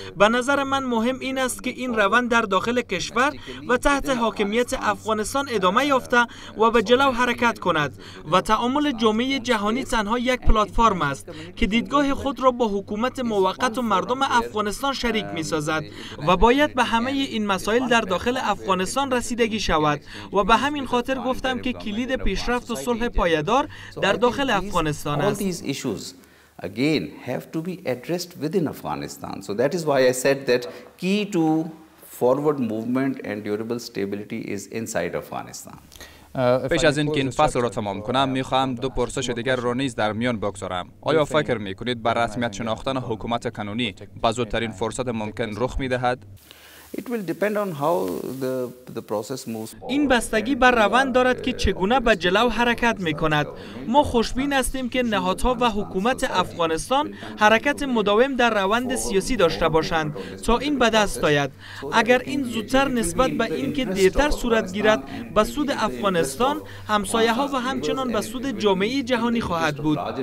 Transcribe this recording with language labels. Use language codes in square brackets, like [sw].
[fa] به نظر من مهم این است که این روند در داخل کشور و تحت حاکمیت افغانستان ادامه یافته و به جلو حرکت کند و تعامل جامعه جهانی تنها یک پلتفرم است که دیدگاه خود را با حکومت موقت و مردم افغانستان شریک می‌سازد و باید به همه این مسائل در داخل افغانستان رسیدگی شود و به همین خاطر گفتم که کلید پیشرفت و صلح پایدار در داخل افغانستان است. [en] All these issues again have to be addressed within Afghanistan. So that is why I said that key to forward movement and durable stability is inside Afghanistan. [fa] پیش از اینکه این فصل را تمام کنم، میخواهم دو پرسش دیگر را نیز در میان بگذارم. آیا فکر میکنید بر رسمیت شناختن حکومت کنونی به زودترین فرصت ممکن رخ میدهد؟ [en] It will depend on how the process moves. [fa] این بستگی بر روند دارد که چگونه به جلو حرکت می کند. ما خوشبین هستیم که نهادها و حکومت افغانستان حرکت مداوم در روند سیاسی داشته باشند تا این به دست آید. اگر این زودتر نسبت به این که دیرتر صورت گیرد، به سود افغانستان، همسایه ها و همچنان به سود جامعه جهانی خواهد بود.